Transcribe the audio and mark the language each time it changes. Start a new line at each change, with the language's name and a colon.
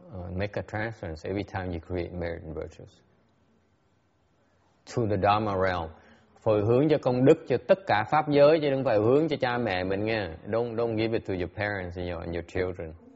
English: make a transference every time you create merit and virtues to the Dharma realm.
Vietnamese: Phụ hướng cho công đức cho tất cả pháp giới chứ đừng phải hướng cho cha mẹ mình nghe.
English: Don't give it to your parents and your children.